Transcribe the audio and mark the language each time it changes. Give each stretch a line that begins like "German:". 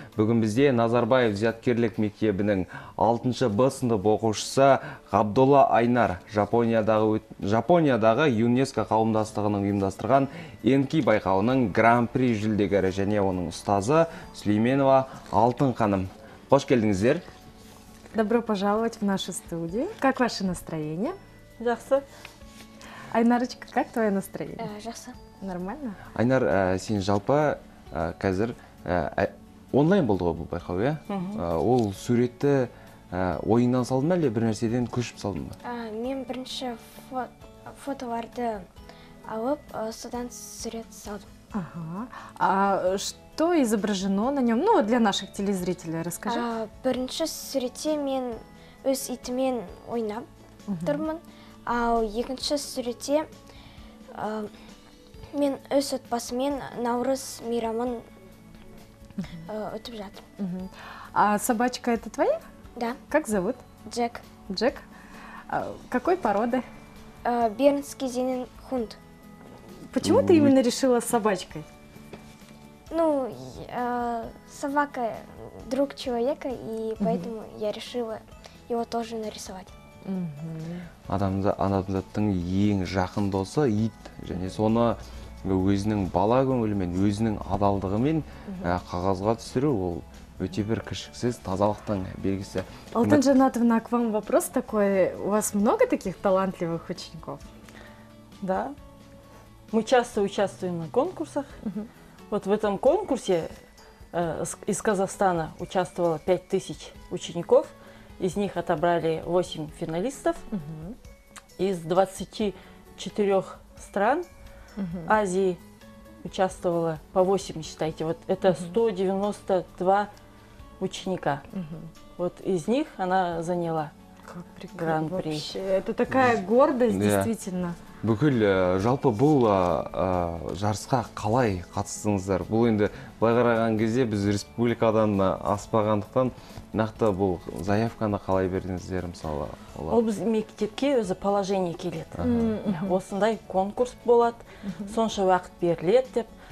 Kazakh: Бүгін бізде Назарбаев зияткерлік мектебінің 6-шы Б сынып оқушысы Ғабдолла Айнар, Жапониядағы ЮНЕСКО қауымдастығының ұйымдастырған Энки байқауының гран-при жүлдегері және оның ұстазы Сүлейменова Алтын ханым. Қош келдіңіздер.
Russian: Добро пожаловать в нашу студию. Как ваше настроение?
Kazakh: Жақсы.
Russian: Айнарочка, как твое настроение?
Kazakh: Жақсы.
Russian: Нормально?
Kazakh: Айнар, сен жалпы, қазір онлайн болды ғой бұл байқау, иә? Ол суретті ойыннан салдың ба, әлде бір нәрседен көшіп салдың ба? Мен бірінші фотоларды алып, содан сурет салдым.
Russian: Ага. А что изображено на нем? Ну, для наших телезрителей расскажи.
Kazakh: Бірінші суретте мен өз итімен ойнап тұрмын. Ал екінші сүретте мен өз отбасымен Наурыз мейрамын өтіп жатыр.
Russian: А собачка это твоя? Да. Как зовут? Джек. Джек? Какой породы? Бернский зенненхунд. Почему ты именно решила с собачкой? Ну, собака друг человека, и поэтому я решила его тоже нарисовать.
Kazakh: Адамзаттың ең жақын досы ит, және соны өзінің бала көңілімен, өзінің адалдығымен қағазға түсіру, ол өте бір кішіксіз тазалықтың белгісі.
Russian: Алтын Жанатовна, к вам вопрос такой. У вас много таких талантливых учеников? Да. Мы часто участвуем на конкурсах. Вот в этом конкурсе из Казахстана участвовало 5000 учеников. Из них отобрали 8 финалистов. Из 24 стран Азии участвовало по 8, считайте. Вот это 192 ученика. Вот из них она заняла гран-при. Вообще. Это такая гордость, действительно.
Kazakh: Бүкіл жалпы бұл жарысқа қалай қатыстыңыздар? Бұл енді байқараған кезде біз республикадан аспағандықтан нақты бұл заявканы қалай бердіңіздер мысалы? Ол біз мектепке өзі положение келеді. Осындай конкурс болады, сонша уақыт беріледі деп.